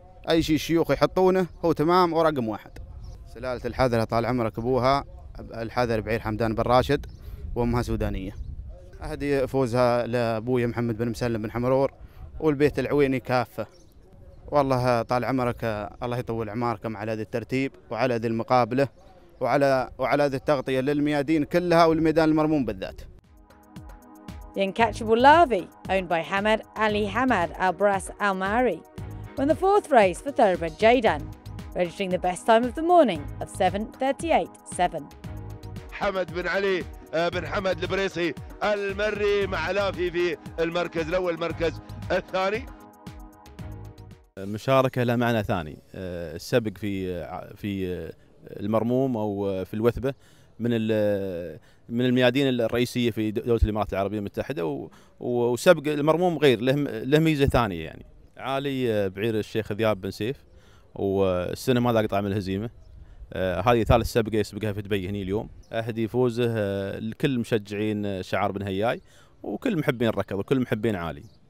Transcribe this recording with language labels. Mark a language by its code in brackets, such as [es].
[ar] أي شيء الشيوخ يحطونه هو تمام ورقم واحد سلالة الحذر طال عمرك أبوها الحذر بعير حمدان بن راشد وأمها سودانية أهدي فوزها لأبوي محمد بن مسلم بن حمرور والبيت العويني كافة والله طال عمرك الله يطول عماركم على هذا الترتيب وعلى هذه المقابلة وعلى هذه التغطية للميادين كلها والميدان المرموم بالذات. [en] The Uncatchable Larvae, owned by Hamad Ali Hamad Al-Bras Al-Mari, won the fourth race for Thoroughbred Jaydan, registering the best time of the morning of 7.38.7. [ar] حمد بن علي بن حمد البريصي المري مع لافي في المركز الأول المركز الثاني مشاركة لها معنى ثاني السبق في المرموم أو في الوثبة من الميادين الرئيسيه في دوله الامارات العربيه المتحده، وسبق المرموم غير له ميزه ثانيه يعني عالي بعير الشيخ ذياب بن سيف، والسنه ما قطع من الهزيمه، هذه ثالث سبقه يسبقها في دبي هني اليوم، اهدي فوزه لكل مشجعين شعار بن هياي وكل محبين الركض وكل محبين عالي.